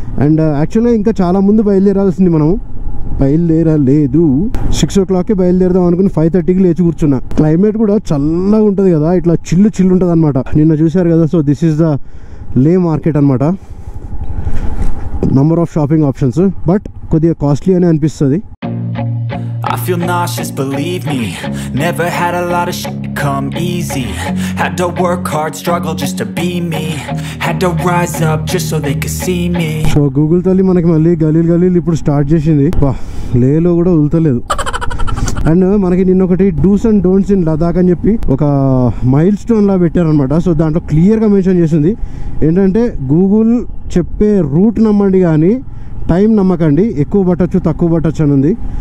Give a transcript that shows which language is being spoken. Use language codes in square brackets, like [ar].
[te] And యాక్చువల్గా ఇంకా చాలా ముందు బయలుదేరాల్సింది మనం, బయలుదేరలేదు. 6:00 బయలుదేరదాం అనుకుని 5:30 లేచి కూర్చున్నా. క్లైమేట్ కూడా చల్లగా ఉంటుంది కదా, ఇట్లా చిల్లు చిల్లు ఉంటుంది అనమాట, నిన్న చూశారు కదా. [en] so this is the Leh market అనమాట, number of shopping options, but కొద్దిగా costly [te] అని అనిపిస్తుంది. [en] I feel nauseous, believe me. Never had a lot of shit come easy. Had to work hard, struggle just to be me. Had to rise up just so they could see me. [te] So Google తల్లి మనకి మళ్ళీ గలీల్ గలీల్ ఇప్పుడు start చేసింది. వా, లేలో కూడా ఉల్తలేదు. And మనకి నిన్న ఒకటి [en] dos and don'ts in Ladakh [te] అని చెప్పి ఒక మైల్ స్టోన్ లా పెట్టారనమాట. సో దాంట్లో క్లియర్గా మెన్షన్ చేసింది ఏంటంటే, గూగుల్ చెప్పే రూట్ నమ్మండి కానీ టైం నమ్మకండి, ఎక్కువ పట్టచ్చు తక్కువ పట్టచ్చు అని ఉంది.